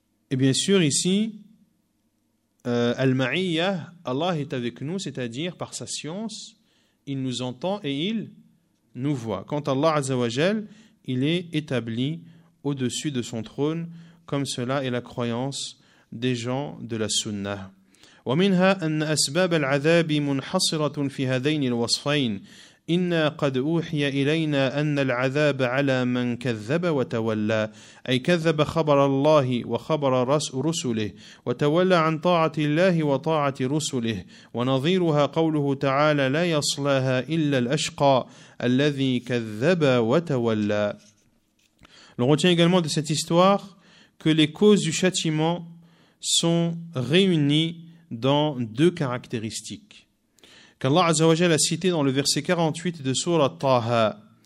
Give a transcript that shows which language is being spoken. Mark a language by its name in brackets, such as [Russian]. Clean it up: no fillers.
[French] Et bien sûr ici Al-Ma'iyah, Allah est avec nous, c'est-à-dire par sa science il nous entend et il nous voit. Quant à Allah Azza wa Jal, il est établi au-dessus de son trône, comme cela est la croyance des gens de la Sunnah. [Arabic] ومنها أن أسباب العذاب منحصرة في هذين الوصفين. إنا قد أوحي إلينا أن العذاب على من كذب وتولى أي كذب خبر الله وخبر رسله وتولى عن طاعة الله وطاعة رسله ونظيرها قوله تعالى لا يصلها إلا الأشقى الذي كذب وتولى. [French] On retient également de cette histoire que les causes du châtiment sont réunies dans deux caractéristiques qu'Allah Azza wa Jal a cité dans le verset 48 de Surah Taha.